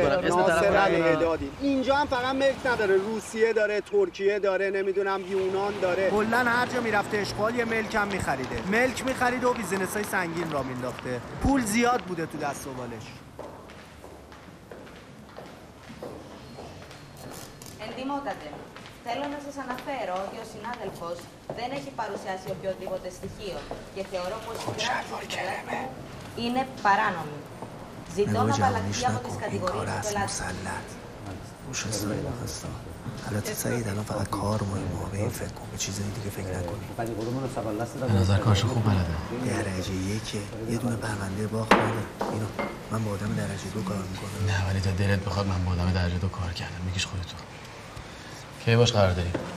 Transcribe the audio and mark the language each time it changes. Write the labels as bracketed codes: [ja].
[fa] اسم طرف الهدادی. اینجا هم فقط ملک نداره، روسیه داره، ترکیه داره، نمیدونم یونان داره. کلا هر جا میرفته اشغال یه ملک هم می‌خریده. ملک می‌خریده و بیزینس‌های سنگین را مینداخته. پول زیاد بوده تو دست و بالش. [el] Θέλω να σας αναφέρω ότι ο συνάδελφος δεν έχει παρουσιάσει οποιοδήποτε στοιχείο και θεωρώ πως η συνάδελφη είναι παράνομη. Ζητώ να απαλλαχθεί από τις κατηγορίες του πελάτη. [fa] البته سعید الان فقط کار مهمه، به این فکر کن، به چیزایی دیگه فکر نکنی. به نظر کارشو خوب بلده. درجه یکه، یه دونه پرونده باخت بوده. اینو من با آدم درجه دو کار میکنم. نه ولی تا دلت بخواد من با آدم درجه دو کار کردم. میگیش خودتو کی باش قرار داری؟